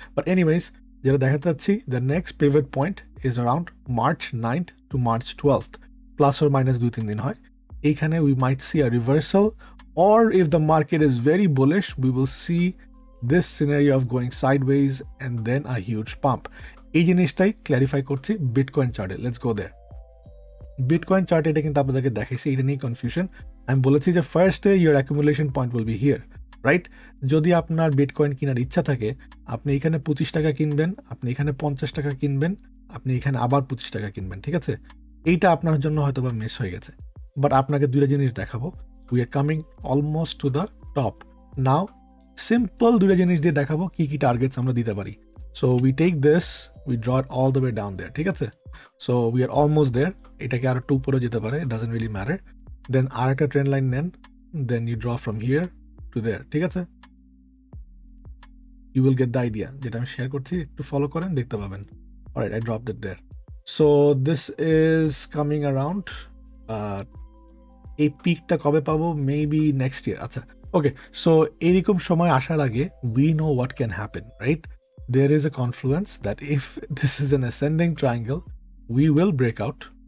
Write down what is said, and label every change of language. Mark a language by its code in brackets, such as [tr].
[en] But anyways, [bn] jara dekhte chhi, [en] the next pivot point is around March 9th to March 12th, plus or minus [bn] 2-3 din hoy. Ekhane [en] we might see a reversal, or if the market is very bullish, we will see this scenario of going sideways and then a huge pump. [bn] এই জিনিসটাই clarify করছি bitcoin চার্টে, let's go there. Bitcoin চার্টে এটা কিন্তু আপনাদেরকে দেখাইছি, এটা নিয়ে কনফিউশন। আমি বলেছি যে ফার্স্টে ইয়ার accumulation point will be here, right? যদি আপনার বিটকয়েন কেনার ইচ্ছা থাকে, আপনি এখানে 25 টাকা কিনবেন, আপনি এখানে 50 টাকা কিনবেন, আপনি এখানে আবার 25 টাকা কিনবেন, ঠিক আছে? এইটা আপনার জন্য হয়তো বা মিস হয়ে গেছে, বাট আপনাকে দুইটা জিনিস দেখাবো। [en] We are coming almost to the top now. [bn] Simple দুইটা জিনিস দিয়ে দেখাবো কি কি টার্গেটস আমরা দিতে পারি। [en] So we take this, we draw it all the way down there, [bn] ঠিক আছে? [en] So we are almost there. [bn] এটাকে আরো টু পরে যেতে পারে, [en] it doesn't really matter. Then [bn] আর একটা ট্রেন লাইন নেন, [en] then you draw from here to there, [bn] ঠিক আছে? [en] You will get the idea. [bn] যেটা আমি শেয়ার করছি একটু ফলো করেন, দেখতে পাবেন। [en] Alright, I dropped it there. So this is coming around. [bn] এই পিকটা কবে পাবো? [en] Maybe next year. আচ্ছা, okay. So [bn] এরকম সময় আসার আগে [en] we know what can happen, right? There is a confluence that if this is an ascending triangle, we will break out.